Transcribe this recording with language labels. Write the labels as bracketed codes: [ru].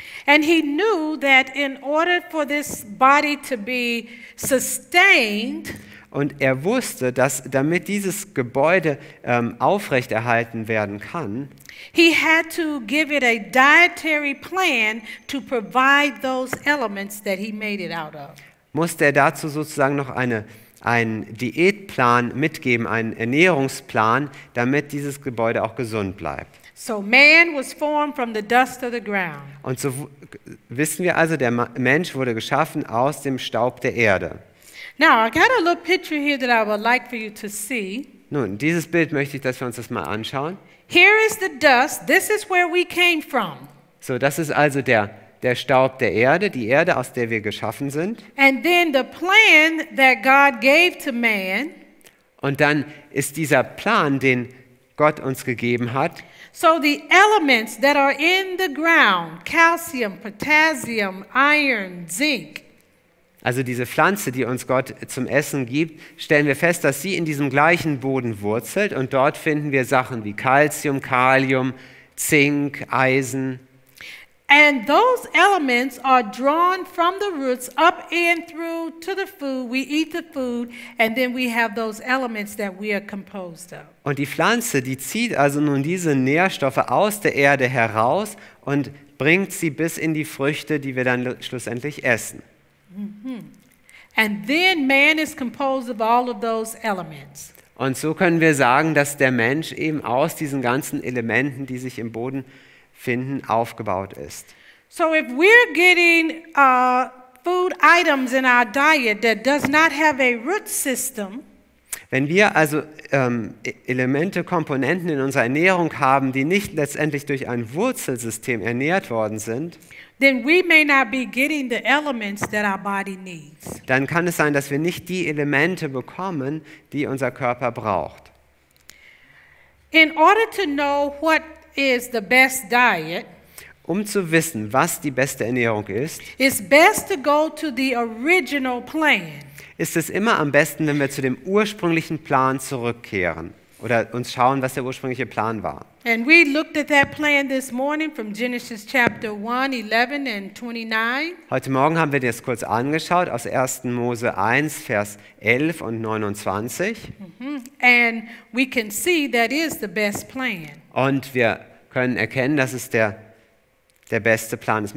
[en] And he knew that in order for this body to be sustained. [de] Und er wusste, dass damit dieses Gebäude aufrechterhalten werden kann, [en] he had to give it a dietary plan to provide those elements that he made it out of. [de] Musste er dazu sozusagen noch einen Diätplan mitgeben, einen Ernährungsplan, damit dieses Gebäude auch gesund bleibt. [en] So man was formed from the dust of the ground. [de] Und so wissen wir also, der Mensch wurde geschaffen aus dem Staub der Erde. [en] Now, I got a little picture here that I would like for you to see. [de] Nun, dieses Bild möchte ich, dass wir uns das mal anschauen. [en] Here is the dust. This is where we came from. [de] So, das ist also der Staub der Erde, die Erde, aus der wir geschaffen sind. [en] And then the plan that God gave to man. [de] Und dann ist dieser Plan, den Gott uns gegeben hat. [en] So the elements that are in the ground, calcium, potassium, iron, zinc. [de] Also diese Pflanze, die uns Gott zum Essen gibt, stellen wir fest, dass sie in diesem gleichen Boden wurzelt und dort finden wir Sachen wie Calcium, Kalium, Zink, Eisen. [en] And those elements are drawn from the roots up and through to the food. We eat the food and then we have those elements that we are composed of. [de] Und die Pflanze, die zieht also nun diese Nährstoffe aus der Erde heraus und bringt sie bis in die Früchte, die wir dann schlussendlich essen. [en] And then man is composed of all of those elements. [de] Und so können wir sagen, dass der Mensch eben aus diesen ganzen Elementen, die sich im Boden finden, aufgebaut ist. [en] So if we're getting food items in our diet that does not have a root system. [de] Wenn wir also Elemente, Komponenten in unserer Ernährung haben, die nicht letztendlich durch ein Wurzelsystem ernährt worden sind, [en] then we may not be getting the elements that our body needs. [de] Dann kann es sein, dass wir nicht die Elemente bekommen, die unser Körper braucht. [en] In order to know what is the best diet, [de] um zu wissen, was die beste Ernährung ist, [en] it's best to go to the original plan. [de] Ist es immer am besten, wenn wir zu dem ursprünglichen Plan zurückkehren oder uns schauen, was der ursprüngliche Plan war. [en] And we looked at that plan this morning from Genesis chapter 1, 11 and 29. [de] Heute Morgen haben wir das kurz angeschaut aus 1. Mose 1, Vers 11 und 29. Mm-hmm. [en] And we can see that is the best plan. [de] Und wir können erkennen, dass es der beste Plan ist.